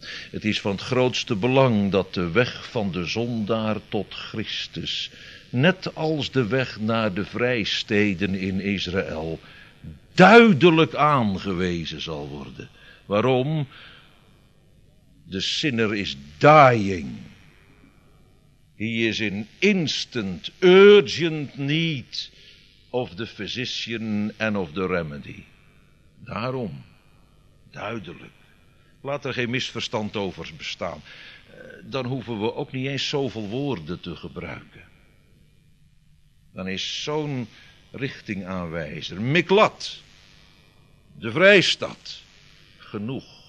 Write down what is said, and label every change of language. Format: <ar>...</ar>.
<nl>Het is van het grootste belang dat de weg van de zondaar tot Christus, net als de weg naar de vrijsteden in Israël, duidelijk aangewezen zal worden. Waarom? De</nl> <en>sinner is dying. He is in instant, urgent need of the physician and of the remedy.</en> <nl>Daarom, duidelijk. Laat er geen misverstand over bestaan. Dan hoeven we ook niet eens zoveel woorden te gebruiken. Dan is zo'n richtingaanwijzer, Miklat, de Vrijstad, genoeg.</nl>